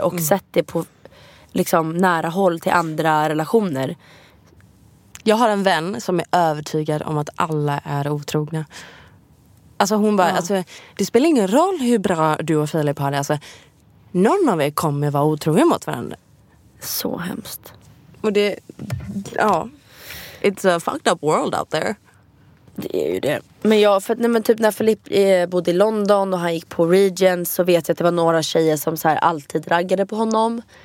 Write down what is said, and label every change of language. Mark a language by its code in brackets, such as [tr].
[sv] Och sett det på liksom nära håll till andra relationer. Jag har en vän som är övertygad om att alla är otrogna. Alltså hon bara, alltså, det spelar ingen roll hur bra du och Filip har det. Alltså, någon av er kommer vara otrogen mot varandra. Så hemskt. Och det, ja. [en] It's a fucked up world out there. [sv] Det är ju det. Men jag, för, nej, men typ när Filip bodde i London och han gick på Regent, så vet jag att det var några tjejer som så här alltid raggade på honom.